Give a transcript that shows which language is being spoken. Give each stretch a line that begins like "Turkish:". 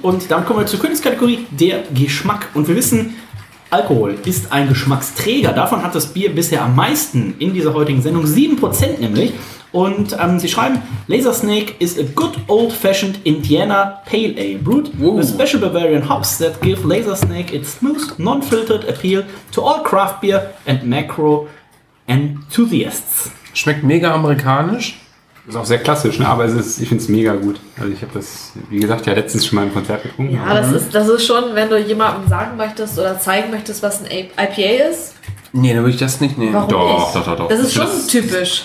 German: Und dann kommen wir zur Königskategorie, der Geschmack. Und wir wissen, Alkohol ist ein Geschmacksträger. Davon hat das Bier bisher am meisten in dieser heutigen Sendung. 7% nämlich. Und sie schreiben,
English: Laser Snake is a good old-fashioned Indiana Pale Ale brewed with special Bavarian hops that give Laser Snake its smooth, non-filtered appeal to all craft beer and macro enthusiasts.
German: Schmeckt mega amerikanisch. Ist auch sehr klassisch, ne? Aber ich finde es mega gut. Also ich habe das, wie gesagt, ja letztens schon mal im Konzert getrunken. Ja, das ist schon, wenn du jemandem sagen möchtest oder zeigen möchtest, was ein IPA ist. Nee, dann würde ich das nicht nehmen. Warum doch, nicht? Doch. Das ist schon das typisch.